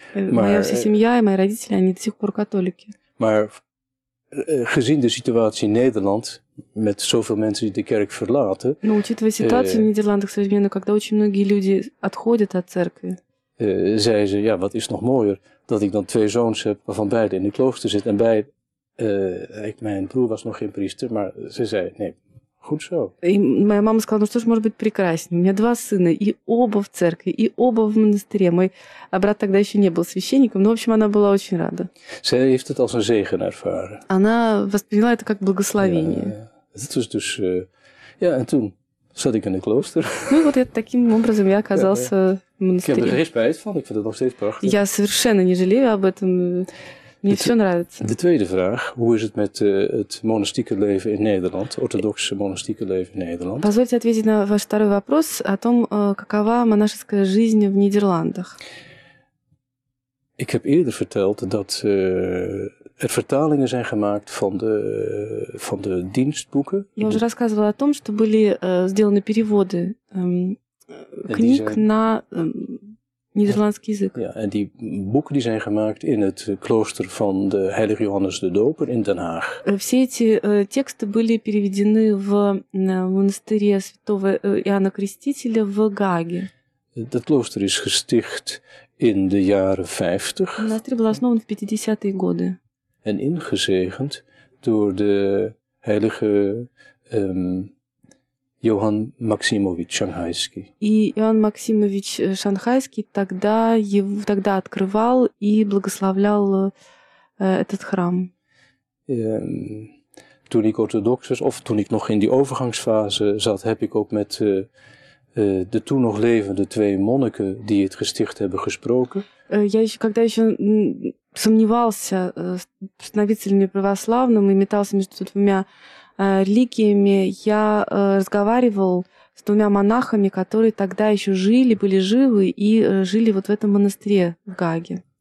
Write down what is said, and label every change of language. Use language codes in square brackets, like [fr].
[ru] Моя вся семья и мои родители, они до сих пор католики. [nl] Maar gezien de situatie in Nederland, met zoveel mensen die de kerk verlaten. [ru] Но учитывая ситуацию в Нидерландах современную, когда очень многие люди отходят от церкви. [nl] Zei ze, ja, wat is nog mooier, dat ik dan twee zoons heb, waarvan beide in de klooster zitten. En mijn broer was nog geen priester, maar ze zei, nee, [ru] Хоть что. И моя мама сказала, ну что ж может быть прекраснее. У меня два сына, и оба в церкви, и оба в монастыре. Мой брат тогда еще не был священником, но, в общем, она была очень рада. [nl] Zij heeft het als een zegen ervaren. [ru] Она восприняла это как благословение. [nl] Ja, ja. Dus, ja, en toen zat ik in een klooster. [ru] Ну вот я таким образом я оказался [nl] ja, ja. [ru] в монастыре. [nl] Ik heb er geen spijt van, ik vind het nog steeds prachtig. [ru] Я совершенно не жалею об этом. Мне все нравится. [nl] De tweede vraag, hoe is het met het monastieke leven in Nederland, orthodoxe monastieke leven in Nederland? [ru] Позвольте ответить на ваш второй вопрос о том, какова монашеская жизнь в Нидерландах. [nl] Ik heb eerder verteld dat er vertalingen zijn gemaakt van de dienstboeken. [ru] Я уже рассказывала о том, что были сделаны переводы книг на Нидерландский язык. [nl] Ja, en die boeken die zijn gemaakt in het klooster van de Heilige Johannes de Doper in Den Haag. [ru] Все эти тексты были переведены в монастыре Святого Иоанна Крестителя в Гааге. [nl] Dat klooster is gesticht in de jaren 50. [ru] Монастырь был основан в 50-е годы. [nl] En ingezegend door de Heilige Johann Maximowicz Shanghaisky. [ru] И Иоанн Максимович Шанхайский тогда его тогда открывал и благословлял этот храм. [nl] Toen ik orthodox was, of toen ik nog in die overgangsfase zat, heb ik ook met de toen nog levende twee monniken die het gesticht hebben gesproken. [ru] Я еще, когда еще сомневался, становиться ли мне православным и метался между двумя религиями, я разговаривал с двумя монахами, которые тогда еще жили, были живы и жили вот в этом монастыре в Гааге.